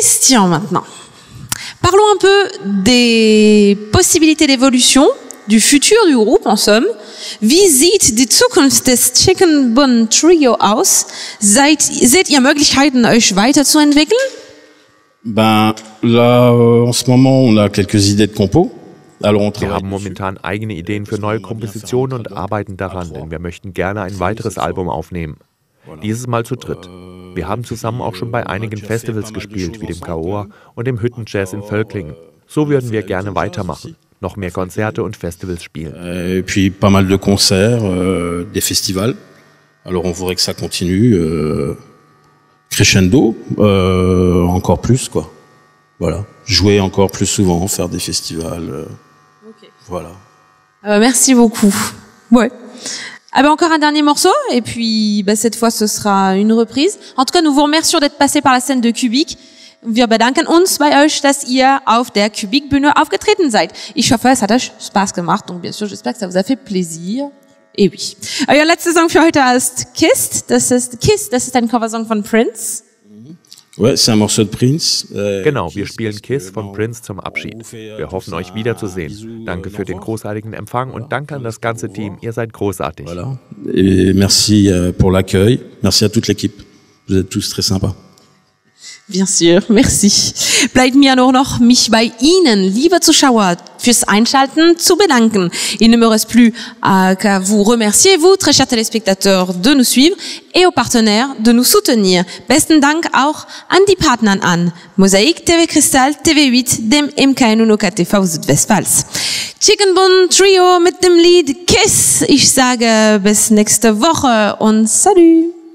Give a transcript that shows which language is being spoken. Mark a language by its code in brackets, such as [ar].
[fr] Maintenant, parlons un peu des possibilités d'évolution, du futur du groupe en somme. [de] Wie sieht die Zukunft des Chicken Bun Trio aus? Seht ihr Möglichkeiten, euch weiterzuentwickeln? [fr] Ben, là, en ce moment, on a quelques idées de compo. [de] Wir haben momentan eigene Ideen für neue Kompositionen und arbeiten daran, denn wir möchten gerne ein weiteres Album aufnehmen. Dieses Mal zu dritt. Wir haben zusammen auch schon bei einigen Festivals gespielt, wie dem Kaoa und dem Hüttenjazz in Völklingen. So würden wir gerne weitermachen, noch mehr Konzerte und Festivals spielen. [fr] Et puis pas mal de concerts, des festivals. Alors on voudrait que ça continue crescendo, encore plus quoi. Voilà, jouer encore plus souvent, faire des festivals. Voilà. Merci beaucoup. Ouais. Ah ben encore un dernier morceau, et puis bah cette fois ce sera une reprise. En tout cas, nous vous remercions d'être passé par la scène de Kubic. [de] Wir bedanken uns bei euch, dass ihr auf der Kubic-Bühne aufgetreten seid. Ich hoffe, es hat euch Spaß gemacht, [fr] donc bien sûr, j'espère que ça vous a fait plaisir. Et oui. [de] Euer letzter Song für heute ist Kissed. Das ist ein Coversong von Prince. [fr] Ouais, c'est un morceau de Prince. [de] Genau, wir spielen Kiss von Prince zum Abschied. Wir hoffen, euch wiederzusehen. Danke für den großartigen Empfang und danke an das ganze Team. Ihr seid großartig. [fr] Voilà. Et merci pour l'accueil. Merci à toute l'équipe. Vous êtes tous très sympas. Bien sûr, merci. [de] Bleibt mir nur noch, mich bei Ihnen, liebe Zuschauer, fürs Einschalten zu bedanken. [fr] Il ne me reste plus qu'à vous remercier, vous, très chers téléspectateurs, de nous suivre et aux partenaires de nous soutenir. [de] Besten Dank auch an die Partnern an Mosaic, TV Crystal, TV8, dem MKN und OKTV Südwestpfalz. Chicken Bun Trio mit dem Lied Kiss. Ich sage bis nächste Woche und salut!